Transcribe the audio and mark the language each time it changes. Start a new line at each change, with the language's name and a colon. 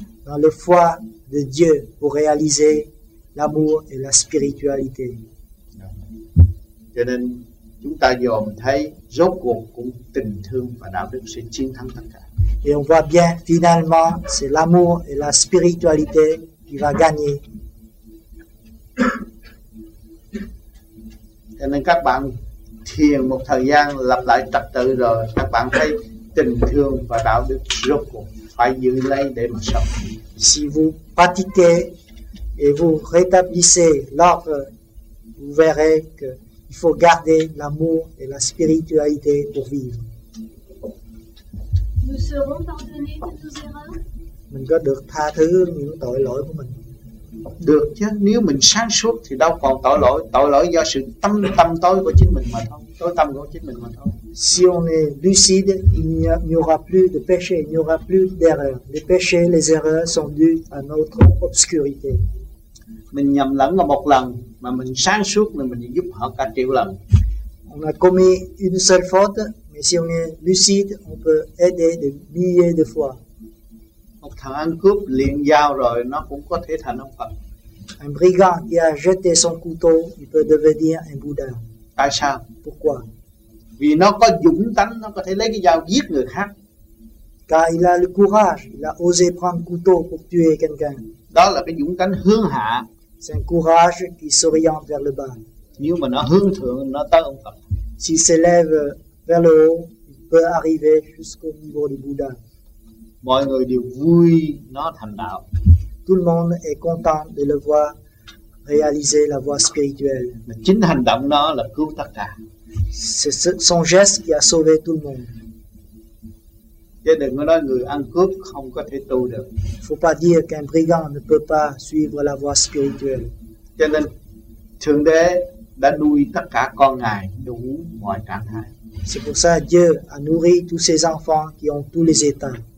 French: Dans la foi de Dieu pour réaliser l'amour et la spiritualité.
Vietnamese: Cho nên chúng ta dòm thấy rốt cuộc cũng tình thương và đạo đức sẽ chiến thắng tất cả.
French: Et on voit bien finalement c'est l'amour et la spiritualité qui va gagner.
Vietnamese: Cho nên các bạn thiền một thời gian lặp lại trật tự rồi các bạn thấy tình thương và đạo đức rốt cuộc phải giữ lấy để mà sống.
French: Si vous pratiquez et vous rétablissez l'ordre, vous verrez que il faut garder l'amour et la spiritualité pour vivre. Nous serons pardonnés de nos erreurs.
Vietnamese: Mình có được tha thứ những tội lỗi của mình. Được chứ, nếu mình sáng suốt thì đâu còn tội lỗi. Tội lỗi do sự tâm tối của chính mình mà thôi. Tối tâm của chính mình mà thôi.
French: Si on est lucide, il n'y aura plus de péché, il n'y aura plus d'erreur. Les péchés, les erreurs sont dus à notre obscurité.
Vietnamese: Mình nhầm lẫn là một lần, mà mình sáng suốt là mình giúp họ cả triệu lần.
French: On a commis une seule faute, mais si on est lucide, on peut aider des milliers de fois.
Vietnamese: Một thằng ăn cướp liền dao rồi nó cũng có thể thành ông Phật.
French: Un brigand qui a jeté son couteau, il peut devenir un Bouddha.
Vietnamese: Tại sao?
French: Pourquoi?
Vietnamese: Vì nó có dũng tánh, nó có thể lấy cái dao giết người khác.
French: Car il a le courage, il a osé prendre couteau pour tuer quelqu'un.
Vietnamese: Đó là cái dũng tánh hướng hạ.
French: C'est un courage qui s'oriente vers le bas.
Vietnamese: Nếu mà nó hướng thượng, nó tới ông Phật.
French: S'il s'élève vers le haut, il peut arriver jusqu'au niveau du Bouddha.
Vietnamese: Mọi người đều vui nó thành đạo.
French: Tout le monde est content de le voir réaliser la voie spirituelle.
Vietnamese: Mà chính hành động nó là cứu tất cả.
French: C'est son geste qui a sauvé tout le monde.
Vietnamese: Chứ đừng có nói người ăn cướp không có thể tu được.
French: Faut pas dire qu'un brigand ne peut pas suivre la voie spirituelle.
Vietnamese: Cho nên Thượng Đế đã nuôi tất cả con ngài đủ mọi trạng thái.
French: C'est pour ça Dieu a nourri tous ses enfants qui ont tous les états.